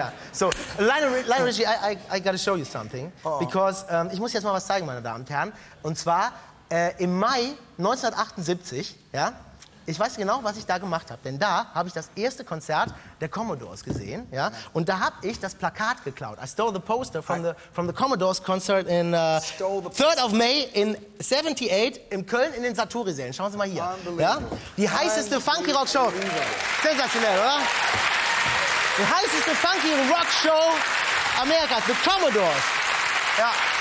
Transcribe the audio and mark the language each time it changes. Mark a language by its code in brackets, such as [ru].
[en] So, Lionel Richie, I gotta show you something. Oh. [de] Because, ich muss jetzt mal was zeigen, meine Damen und Herren. Und zwar, im Mai 1978, ja, ich weiß genau, was ich da gemacht habe, denn da habe ich das erste Konzert der Commodores gesehen, ja, und da habe ich das Plakat geklaut. [en] I stole the poster from the Commodores concert in 3rd of May in 78 in Köln [de] in den Saturisälen. Schauen Sie mal hier. Ja? Die heißeste Funky Rock Show. Sensationell, oder? Die heißeste Funky Rock Show Amerikas, the Commodores. Ja.